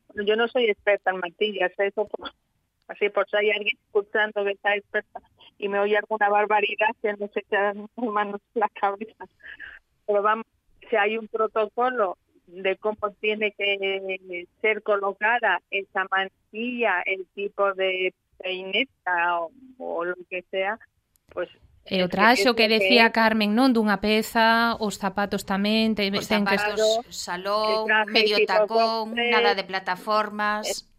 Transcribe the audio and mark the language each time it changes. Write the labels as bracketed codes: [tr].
[es] Yo no soy experta en mantillas, eso así por si hay alguien escuchando que está experta y me oye alguna barbaridad, que no se echan manos en la cabeza. Pero vamos, si hay un protocolo de cómo tiene que ser colocada esa mantilla, el tipo de peineta o lo que sea, pues... [gl] E o traxe, o que decía Carmen, non, dunha peza, os zapatos tamén, ten que estar... Salón, medio tacón, nada de plataformas...